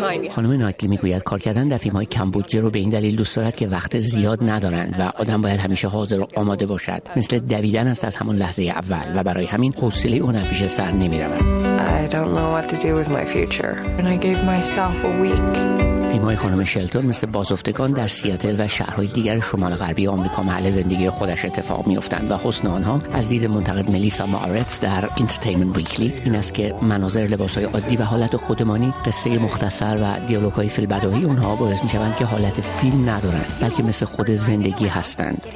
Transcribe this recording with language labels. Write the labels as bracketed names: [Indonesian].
[Persian] خانم نایتلی میگوید کار کردن در فیلم های کم بودجه رو به این دلیل دوست دارد که وقت زیاد ندارند و آدم باید همیشه حاضر و آماده باشد. مثل دویدن است از همون لحظه اول و برای همین حوصله اون همیشه سر نمی‌رود. [English] I don't know what to do with my future and I gave myself a week. [Persian] فیلم‌های خانم شلتون مثل بازافتگان در سیاتل و شهرهای دیگر شمال غربی آمریکا محل زندگی خودش اتفاق می‌افتند و حسن آنها از دید منتقد ملیسا مارتز در انترتینمنت ویکلی این است که مناظر لباس‌های عادی و حالت خودمانی، قصه مختصر و دیالوگ‌های فیلم‌بدایی آنها باعث می‌شوند که حالت فیلم ندارند، بلکه مثل خود زندگی هستند.